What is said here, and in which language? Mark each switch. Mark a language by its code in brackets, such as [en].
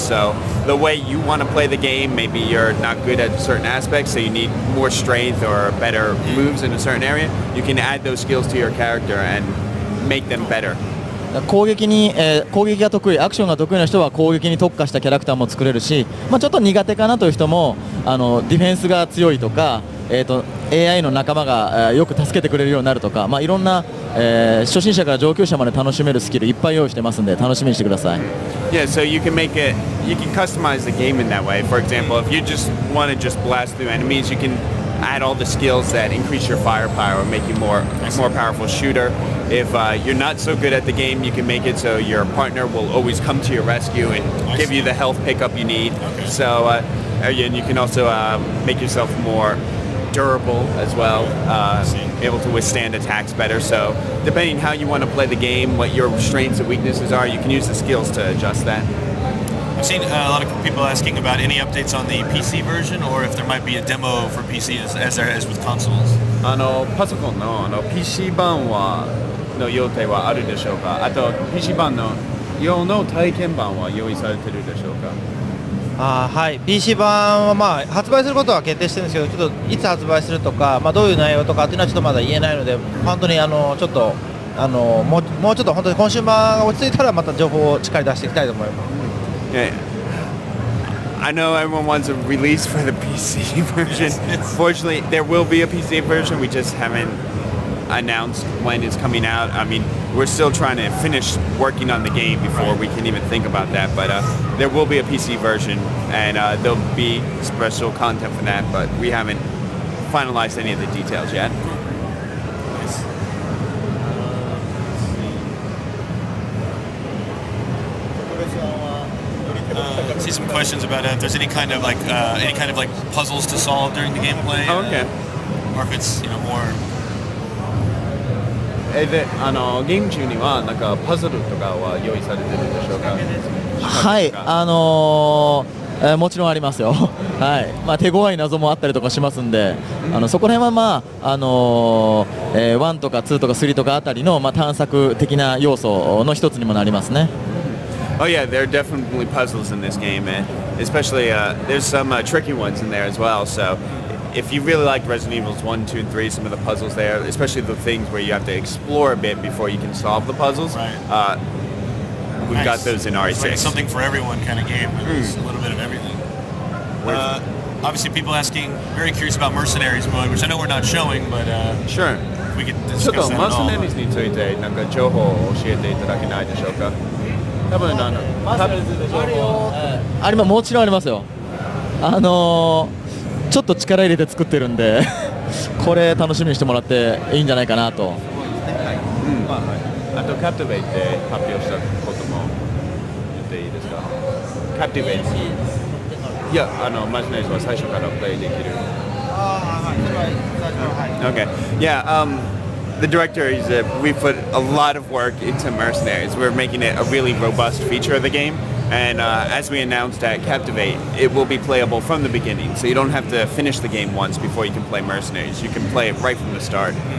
[en] So the way you want to play the game, maybe you're not good at certain aspects, so you need more strength or better moves in a certain area, you can add those skills to your character and make them better. [ja] 攻撃が得意、アクションが得意な人は攻撃に特化したキャラクターも作れるし、まあ、ちょっと苦手かなという人もあのディフェンスが強いとか、AI の仲間が、よく助けてくれるようになるとか、まあ、いろんな、初心者から上級者まで楽しめるスキルいっぱい用意してますので楽しみにしてください。 [en] Yeah, so you can make it, you can customize the game in that way. For example, if you just want to just blast through enemies, you can add all the skills that increase your firepower and make you more powerful shooter. If you're not so good at the game, you can make it so your partner will always come to your rescue and give you the health pickup you need. Okay. So, and you can also make yourself more durable as well, able to withstand attacks better. So depending how you want to play the game, what your strengths and weaknesses are, you can use the skills to adjust that. I've seen a lot of people asking about any updates on the PC version, or if there might be a demo for PC as there is with consoles. [ja] パソコンの、PC 版はの予定はあるでしょうか。あと PC 版の用の体験版は用意されてるでしょうか。あ、はい。 PC 版はまあ発売することは決定してるんですけど、ちょっといつ発売するとか、まあ、どういう内容とかっていうのはちょっとまだ言えないので、本当にちょっと。もうちょっと本当にコンシューマーが落ち着いたらまた情報をしっかり出していきたいと思います。 [en] I know everyone wants a release for the PC version. Fortunately, there will be a PC version. We just haven't announced when it's coming out. I mean, we're still trying to finish working on the game before we can even think about that. But there will be a PC version, and there'll be special content for that. But we haven't finalized any of the details yet. See some questions about if there's any kind of puzzles to solve during the gameplay. Oh, okay. Or if it's more. [ja] で、ゲーム中にはなんかパズルとかは用意されてるでしょうか。はい、もちろんありますよ。はい、まあ、手強い謎もあったりとかしますんで、そこら辺は、1とか2とか3とかあたりの、まあ、探索的な要素の一つにもなりますね。 [en] Oh yeah, there are definitely puzzles in this game, and especially there's some tricky ones in there as well. So if you really like Resident Evil 1, 2, and 3, some of the puzzles there, especially the things where you have to explore a bit before you can solve the puzzles, right. We've got those in RE6. It's like something for everyone kind of game, but it's a little bit of everything. Obviously people asking, very curious about Mercenaries mode, which I know we're not showing, but sure. We could discuss that at all. [ja] ちょっとマーセナリーズについて何か情報を教えていただけないでしょうか。多分もちろんありますよ。ちょっと力入れて作ってるんで、これ楽しみにしてもらっていいんじゃないかなと。あとキャプテベイって発表したことも言っていいですか。キャプテベイ。いや、マジネージは最初からプレイできる。 [en] Okay. Yeah. The director, we put a lot of work into Mercenaries. We're making it a really robust feature of the game. And as we announced at Captivate, it will be playable from the beginning. So you don't have to finish the game once before you can play Mercenaries. You can play it right from the start.